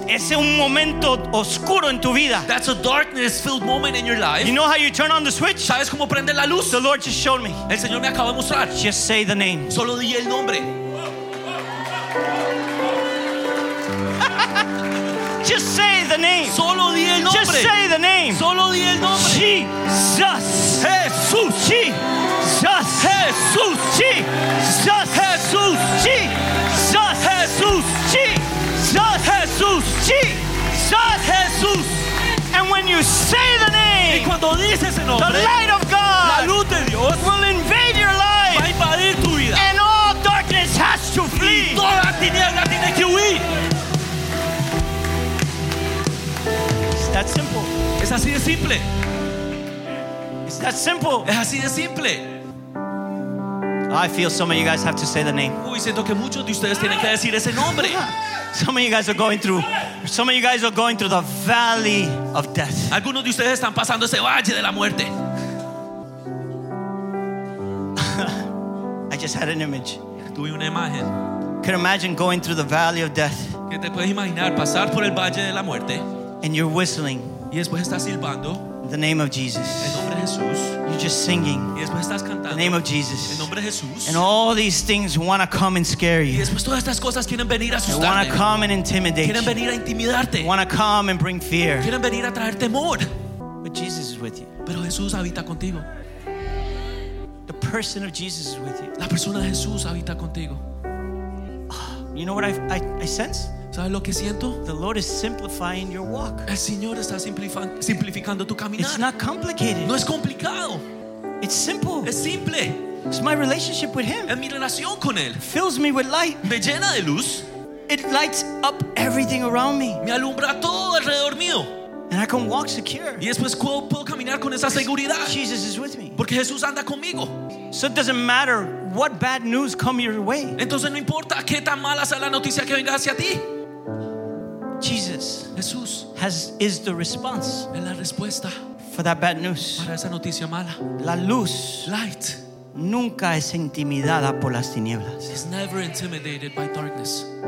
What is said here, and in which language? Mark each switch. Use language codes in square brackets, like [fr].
[es] Ese es un momento oscuro en tu vida. [en] That's a darkness-filled moment in your life. You know how you turn on the switch? [es] ¿Sabes cómo prende la luz? [en] The Lord just showed me. [es] El Señor me acaba de mostrar. [en] Just say the name. [es] Solo di el nombre. [en] Just say the name. [es] Solo di el nombre. [en] Just say the name. [es] Solo di el nombre. [en] Jesus. [es] Jesús. [en] Jesus. [es] Jesús. [en] Jesus. [es] Jesús. [en] Jesus. [es] Jesús. [en] Jesus. [es] Jesús. [en] Jesus. [es] Jesús. [en] And when you say the name, [es] y cuando dices el nombre, [en] the light of God, [es] la luz de Dios, [en] will invade your life. [es] Va a invadir tu vida. [en] And all darkness has to flee. [es] Y toda tiniebla tiene que huir. [en] That's simple. [es] Es así de simple. [en] It's that simple. [es] Es así de simple. [en] I feel some of you guys have to say the name. [es] Uy, siento que muchos de ustedes tienen que decir ese nombre. [en] Some of you guys are going through. Some of you guys are going through the valley of death. [es] Algunos de ustedes están pasando ese valle de la muerte. [en] I just had an image. [es] Tuve una imagen. [en] Can imagine going through the valley of death. [es] ¿Qué te puedes imaginar pasar por el valle de la muerte? [en] And you're whistling. [es] Y después estás silbando. [en] The name of Jesus. [es] El nombre de Jesús. [en] You're just singing. [es] Y después estás cantando. [en] The name of Jesus. [es] El nombre de Jesús. [en] And all these things want to come and scare you. [es] Y después todas estas cosas quieren venir a asustarte. [en] They want to come and intimidate you. [es] Quieren venir a intimidarte. [en] Want to come and bring fear. [es] Quieren venir a traer temor. [en] But Jesus is with you. [es] Pero Jesús habita contigo. [en] The person of Jesus is with you. [es] La persona de Jesús habita contigo. [en] You know what I sense? [es] ¿Sabes lo que siento? [en] The Lord is simplifying your walk. [es] El Señor está simplificando tu caminar. [en] It's not complicated. [es] No es complicado. [en] It's simple. [es] Es simple. [en] It's my relationship with Him. [es] Es mi relación con Él. [en] It fills me with light. [es] Me llena de luz. [en] It lights up everything around me. [es] Me alumbra todo alrededor mío. [en] And I can walk secure. [es] Y después puedo caminar con esa seguridad. [en] Jesus is with me. [es] Porque Jesús anda conmigo. [en] So it doesn't matter what bad news come your way. [es] Entonces no importa qué tan mala sea la noticia que venga hacia ti. [en] Jesus, [es] Jesús, [en] is the response. [es] Es la respuesta [en] for that bad news. [es] Para esa noticia mala. La luz, [en] light, [es] nunca es intimidada por las tinieblas. [en] Is never intimidated by darkness.